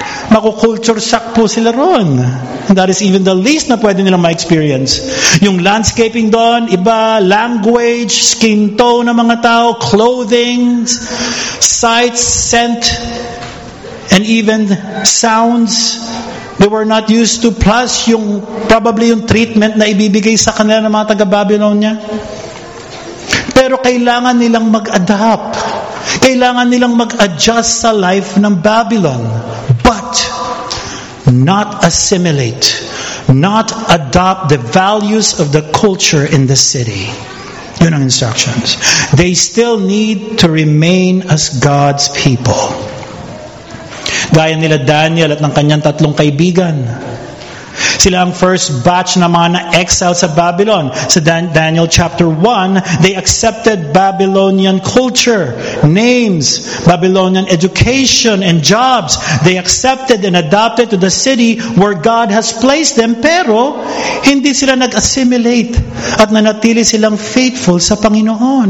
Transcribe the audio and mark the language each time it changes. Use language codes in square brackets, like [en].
[tl] Maku-culture shock po sila ron. [en] That is even the least [tl] na pwede nilang ma-experience. [en] Yung landscaping doon, iba, language, skin tone [tl] ng mga tao, [en] clothing, sights, scent, and even sounds they were not used to. [tl] Plus, yung probably yung treatment na ibibigay sa kanila ng mga taga-Babylonia. Pero kailangan nilang mag-adapt. Kailangan nilang mag-adjust sa life ng Babylon. [en] But not assimilate, not adopt the values of the culture in the city. [tl] Yun ang instructions. [en] They still need to remain as God's people. [tl] Gaya nila Daniel at ng kanyang tatlong kaibigan. Sila ang first batch na mga na-exile sa Babylon. [en] Sa Daniel chapter 1, they accepted Babylonian culture, names, Babylonian education and jobs. They accepted and adapted to the city where God has placed them, [tl] pero hindi sila nag-assimilate at nanatili silang faithful sa Panginoon.